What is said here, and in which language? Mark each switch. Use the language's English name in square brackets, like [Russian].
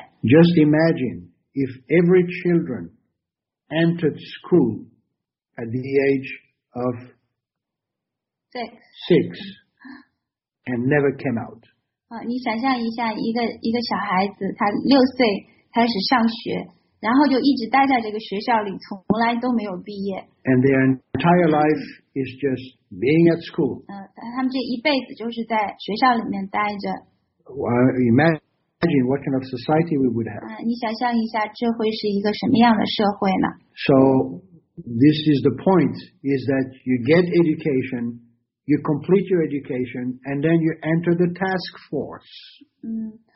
[English] Just imagine if every children entered school at the age of Six and never came out. [Chinese] 你想象一下，一个小孩子，他六岁开始上学，然后就一直待在这个学校里，从来都没有毕业。 [English] And their entire life is just being at school. [Chinese] 他们这一辈子就是在学校里面待着。 [English] Imagine what kind of society we would have. [Chinese] 你想象一下，这会是一个什么样的社会呢？ [English] So this is the point: is that you get education. You complete your education, and then you enter the task force.